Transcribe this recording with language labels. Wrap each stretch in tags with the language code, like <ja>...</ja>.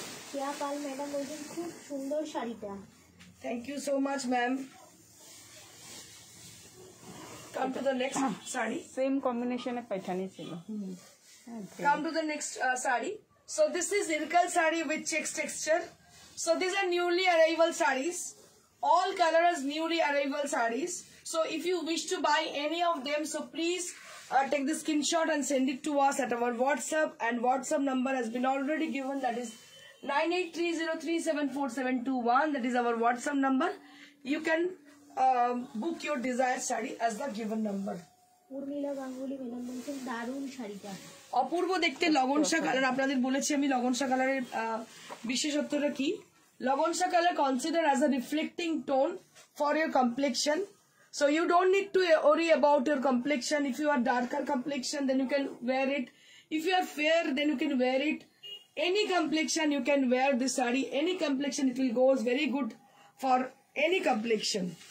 <bn>কেয়া পাল madam বলছেন খুব সুন্দর শাড়িটা।</bn> <en>Thank you so much ma'am. Come to the next sari,</en> <bn>same কম্বিনেশনে পাইথানি ছিল।</bn> <en>Come to the next sari, so this is Ilkal sari with checks texture. So these are newly arrival sarees, all color is newly arrival sarees. So if you wish to buy any of them, so please take the screenshot and send it to us at our WhatsApp, and WhatsApp number has been already given, that is 9830374721, that is our WhatsApp number. You can book your desired saree as the given number. Urmila Ganguly madam mention darun saree ka.</en> <bn>অপূর্ব দেখতে লবণশা colour. আপনাদের বলেছি আমি লবণশা কালারের বিশেষত্বটা কি,</bn> <en>লবণশা colour consider as a reflecting tone for your complexion, so you don't need to worry about your complexion. If you are darker complexion then you can wear it, if you are fair then you can wear it, any complexion you can wear this sari, any complexion it will goes very good for any complexion.</en>